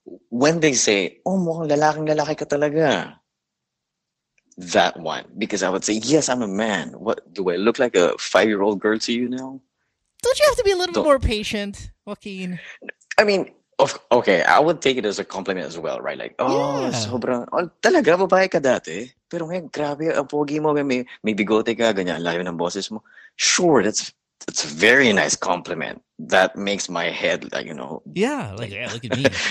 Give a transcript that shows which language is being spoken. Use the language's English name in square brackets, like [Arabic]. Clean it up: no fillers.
[English] When they say, [Filipino] oh, mukhang lalaking lalaki ka talaga. [English] That one. Because I would say, yes, I'm a man. What, do I look like a 5-year-old girl to you now? Don't you have to be a little bit more patient, Joaquin? I mean, okay, I would take it as a compliment as well, right? Like, oh, yeah. [Filipino] Sobrang, oh, talaga, babae ka dati. Pero ngayon, grabe, ang pogi mo, may bigote ka, ganyan, layo ng boses mo. [English] Sure, that's a very nice compliment. That makes my head, like, you know. Yeah, like, yeah, look at me.